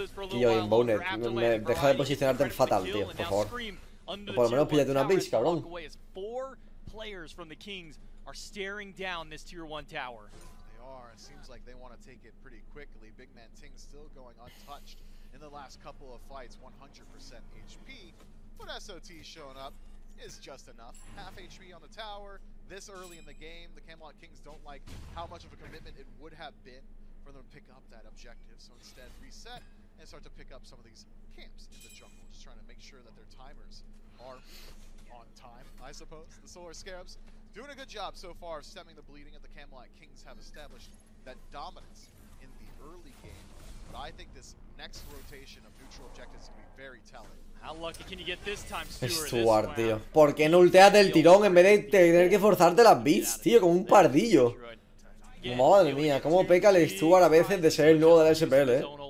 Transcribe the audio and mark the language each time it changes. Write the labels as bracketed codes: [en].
[es] Tío, Inbounded, me deja de posicionarte fatal, tío, por favor. O por lo menos píllate una base, cabrón. [en] Four players from the Kings are staring down this tier 1 tower. It seems like they want to take it pretty quickly. Big Man Ting still going untouched in the last couple of fights. 100% HP, but SOT showing up is just enough. Half HP on the tower this early in the game. The Camelot Kings don't like how much of a commitment it would have been for them to pick up that objective. So instead, reset and start to pick up some of these camps in the jungle. Just trying to make sure that their timers are on time, I suppose. The Solar Scarabs doing a good job so far of stemming the bleeding, and the Camelot Kings have established that dominance in the early game. But I think this next rotation of neutral objectives can be very telling. How lucky can you get this time, Stuart? [es] Tío, ¿por qué no ulteas del tirón en vez de tener que forzarte las beats, tío? Como un pardillo. Madre mía, cómo peca el Stuart a veces de ser el nuevo de la SPL, eh.